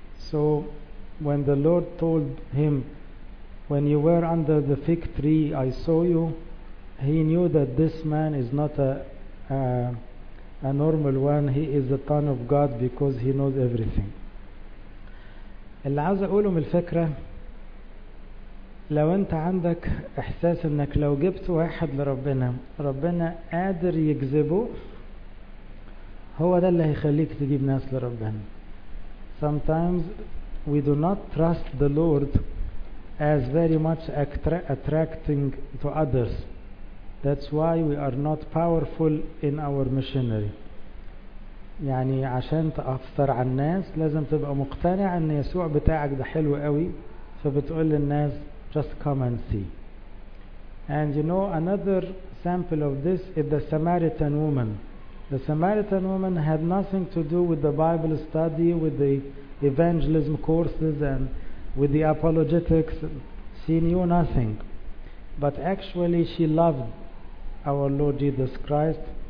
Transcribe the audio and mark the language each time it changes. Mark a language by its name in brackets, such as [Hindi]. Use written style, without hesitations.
[English] So when the Lord told him, "When you were under the fig tree, I saw you," he knew that this man is not a normal one. He is the Son of God because he knows everything. [Arabic] اللي عايز اقوله من الفكرة، لو انت عندك احساس انك لو جبت واحد لربنا، ربنا قادر يجذبه، هو ده اللي هيخليك تجيب ناس لربنا. [English] Sometimes we do not trust the Lord as very much attracting to others. That's why we are not powerful in our missionary. [Arabic] يعني عشان تأثر على الناس لازم تبقى مقتنع ان يسوع بتاعك ده حلو قوي, فبتقول للناس [English] just come and see. And you know, another sample of this is the Samaritan woman. The Samaritan woman had nothing to do with the Bible study, with the evangelism courses, and with the apologetics. She knew nothing. But actually she loved our Lord Jesus Christ.